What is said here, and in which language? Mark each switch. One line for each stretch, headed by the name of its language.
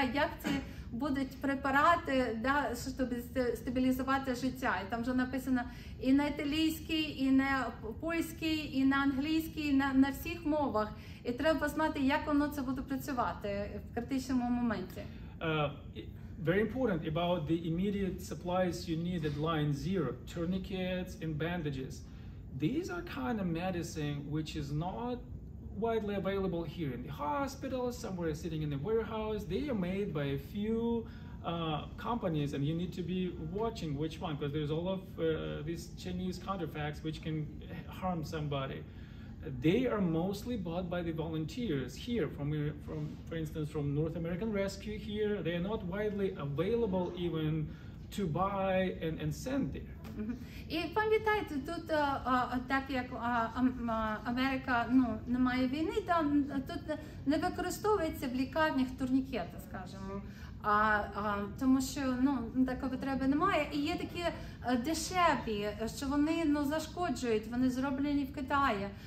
Ukrainian: Як ці будуть препарати, да, щоб стабілізувати життя. І там вже написано і на італійській, і на польській, і на англійській, і на всіх мовах. І треба знати, як воно це буде працювати в критичному моменті.
English: Very important about the immediate supplies you need at line zero, tourniquets and bandages. These are kind of medicine which is not widely available here in the hospital, somewhere sitting in the warehouse. They are made by a few companies, and you need to be watching which one, because there's all of these Chinese counterfeits which can harm somebody. They are mostly bought by the volunteers here from for instance from North American Rescue here. They are not widely available even to buy and send there.
Ukrainian: І пам'ятаєте, тут так як Америка не має війни, там тут не використовується в лікарнях турнікети, скажімо. Тому що такої потреби немає. І є такі дешеві, що вони зашкоджують, вони зроблені в Китаї.